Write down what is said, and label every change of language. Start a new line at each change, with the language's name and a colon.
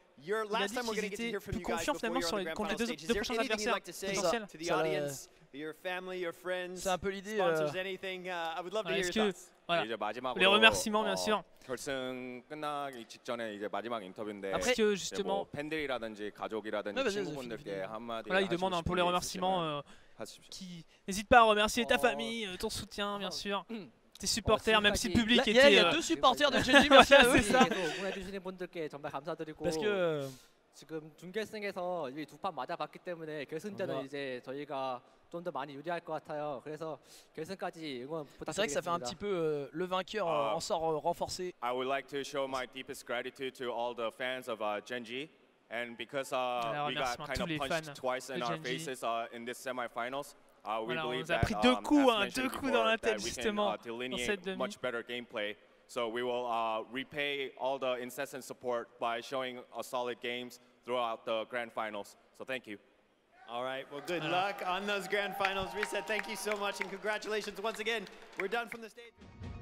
English: Your last time we're going to get to hear from you guys before you're on the grand final stage. Is there anything you'd like to say to the audience, your family, your friends, sponsors, anything? I would love to hear your thoughts.
French: Voilà. Les remerciements, bien sûr.
Korean: 결승 끝나기 직전에 이제 마지막 인터뷰인데
French: après,
Korean: 이제 뭐 팬들이라든지 가족이라든지 친구분들께 한마디
French: voilà, il demande pour les remerciements qui n'hésite pas à remercier ta famille, ton soutien, bien sûr. Tes supporters, même si le public était... Il y a deux supporters de Genji, merci à eux. Parce que...
Korean: 지금 중결승에서 이 두 판 맞아봤기 때문에 결승전은 이제 저희가 좀 더 많이 유리할 것 같아요. 그래서 결승까지 응원 부탁드립니다.
French: C'est vrai que ça fait un petit peu le vainqueur en sort renforcé.
English: I would like to show my deepest gratitude to all the fans of Genji. And because we got kind of punched twice in our faces in this semi-finals.
French: Voilà, on a pris deux coups, deux coups dans la tête justement dans cette demi.
English: Much better gameplay. So we will repay all the incessant support by showing a solid games throughout the grand finals. So thank you. All right. Well, good luck on those grand finals, Reset. Thank you so much and congratulations once again. We're done from the stage.